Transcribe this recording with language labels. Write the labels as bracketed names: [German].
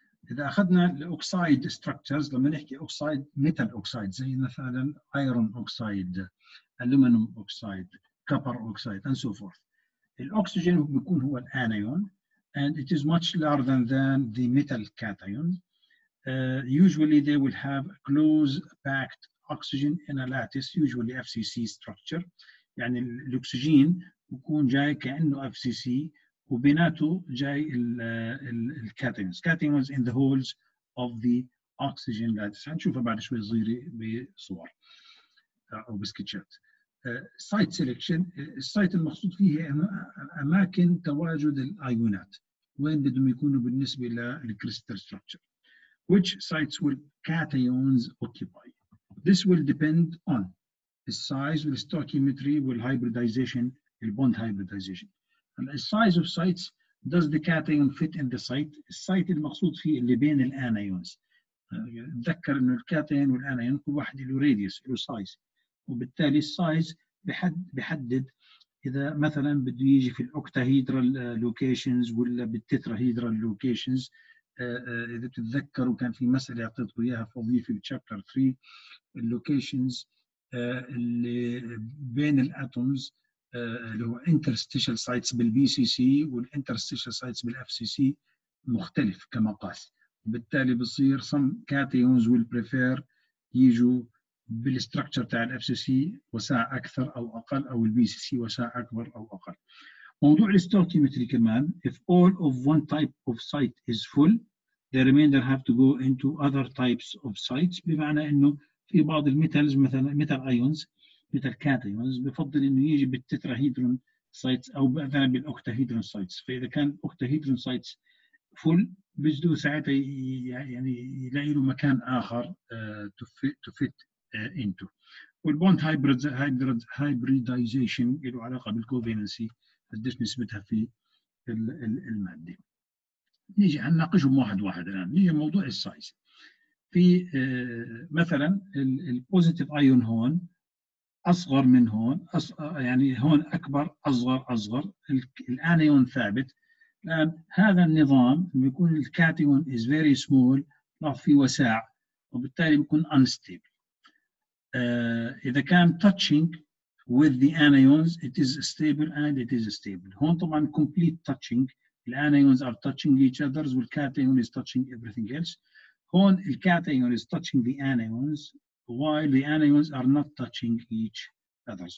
[Arabic] إذا أخذنا الأوكسايد ستركتشرز, لما نحكي أوكسايد ميتال أوكسايد زي مثلا أيرون أوكسايد, ألومنيوم أوكسايد, كابر أوكسايد [English] and so forth, [Arabic] الأكسجين بيكون هو الأنيون [English] and it is much larger than the metal cation. Usually they will have close packed oxygen in a lattice, usually FCC structure. [Arabic] يعني الأكسجين بيكون جاي كأنه FCC وبيناتو جاي الكاتيونز, كاتيونز [English] in the holes of the oxygen lattice. [Arabic] هنشوفها بعد شوي صغيرة بصور أو بسكتشات. [English] Site selection, [Arabic] السايت المقصود فيه أماكن تواجد الأيونات, وين بدهم يكونوا بالنسبة للكريستال structure. [English] Which sites will cations occupy? This will depend on the size, the stoichiometry, the hybridization, the bond hybridization. And the size of sites, does the cation fit in the site? [Arabic] The site المقصود فيه اللي بين الانيونز. تذكر انه الكاتيون والانيون كل واحد له radius, له size. وبالتالي size بحدد اذا مثلا بده يجي في الاوكتاهيدرال locations ولا بالتتراهيدرال locations. اذا تتذكروا كان في مسألة اعطيتكم اياها فضيفة في chapter 3, locations اللي بين الاتومز, اللي هو interstitial sites بالBCC والinterstitial sites بالFCC مختلف كمقاس, وبالتالي بصير [English] some cations will prefer [Arabic] يجوا بالstructure تاع الFCC وسع أكثر أو أقل, أو الBCC وسع أكبر أو أقل. موضوع الستوكيمتري كمان, [English] if all of one type of site is full, the remainder have to go into other types of sites. [Arabic] بمعنى أنه في بعض الميتالز مثلا ميتال أيونز مثل كاتيونز بفضل انه يجي بالتتراهيدرون سايتس او مثلا بالاكتاهيدرون سايتس. فاذا كان اكتاهيدرون سايتس فول بجدو ساعتها يعني يلاقي له مكان اخر [English] To fit into. [Arabic] والبوند هايبريدايزيشن له علاقه بالكوفالنسي قديش نسبتها في الماده. نيجي نناقشهم واحد واحد الان. نيجي موضوع السايز. في مثلا البوزيتيف ايون هون أصغر من هون، يعني هون أكبر أصغر أصغر، الأنيون ثابت. الآن هذا النظام بيكون الكاتيون [English] is very small، [Arabic] ما في وساع، وبالتالي بيكون unstable. إذا كان [English] touching with the anions it is stable and it is stable. [Arabic] هون طبعا [English] complete touching، الأنيونز are touching each other والكاتيون is touching everything else. هون الكاتيون is touching the anions while the anions are not touching each other.